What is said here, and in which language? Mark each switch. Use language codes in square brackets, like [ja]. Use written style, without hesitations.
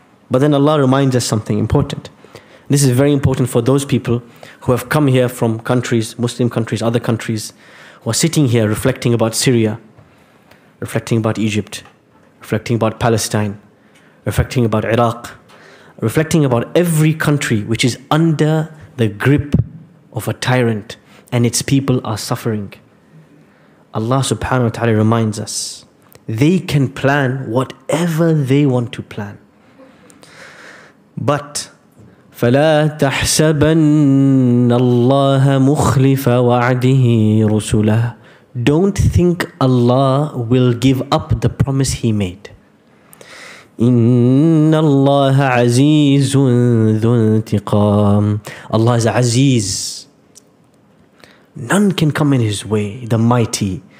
[en] But then Allah reminds us something important. This is very important for those people who have come here from countries, Muslim countries, other countries, who are sitting here reflecting about Syria, reflecting about Egypt, reflecting about Palestine, reflecting about Iraq, reflecting about every country which is under the grip of a tyrant and its people are suffering. Allah subhanahu wa ta'ala reminds us, they can plan whatever they want to plan. But, [ar] فَلَا تَحْسَبَنَّ اللَّهَ مُخْلِفَ وَعْدِهِ رُسُولَهُ. [en] Don't think Allah will give up the promise He made. [ar] إِنَّ اللَّهَ عَزِيزٌ ذُو انْتِقَامٍ. [en] Allah is Aziz. None can come in His way, the mighty.